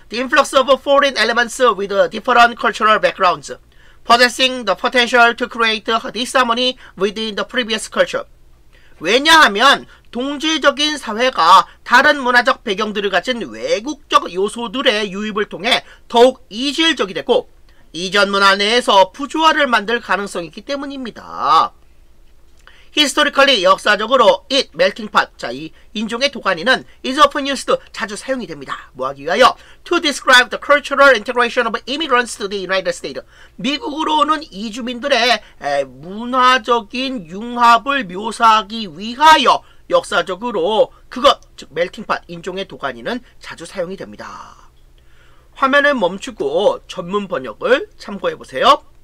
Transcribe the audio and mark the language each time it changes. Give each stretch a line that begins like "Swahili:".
English: The influx of foreign elements with different cultural backgrounds possessing the potential to create a disharmony within the previous culture.
Korean: 왜냐하면 동질적인 사회가 다른 문화적 배경들을 가진 외국적 요소들의 유입을 통해 더욱 이질적이 되고 이전 문화 내에서 부조화를 만들 가능성이 있기 때문입니다.
English: Historically,
Korean: 역사적으로
English: it, melting pot,
Korean: 자, 이 인종의 도가니는
English: is often used,
Korean: 자주 사용이 됩니다. 뭐하기 위하여?
English: To describe the cultural integration of immigrants to the United States.
Korean: 미국으로 오는 이주민들의 문화적인 융합을 묘사하기 위하여 역사적으로 그것, 즉 melting pot, 인종의 도가니는 자주 사용이 됩니다. 화면을 멈추고 전문 번역을 참고해보세요.